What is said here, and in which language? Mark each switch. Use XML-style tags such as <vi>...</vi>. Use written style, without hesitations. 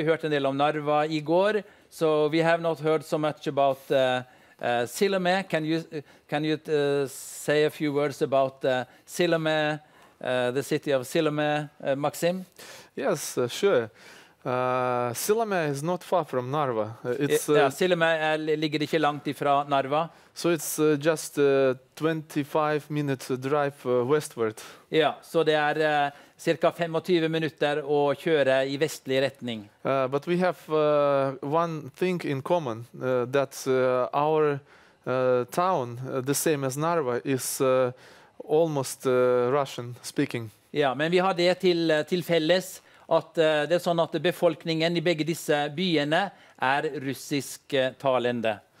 <no>Vi hørte en del om Narva i går.</no> <en>So we have not heard so much about Sillamäe. Can you say a few words about Sillamäe, the city of Sillamäe, Maxim? Yes, sure. Sillamäe is not far from Narva.</en> <no>Sillamäe ligger ikke langt ifra Narva.</no> <en>So it's just 25 minutes drive westward.</en> <no>Ja, så det er cirka 25 minutter å kjøre i vestlig retning.</no> <en>But we have one thing in common, that our town, the same as Narva, is almost Russian speaking.</en> <no>Ja, men vi har det til felles, at det er sånn at befolkningen i begge disse byene er russisk talende.</no>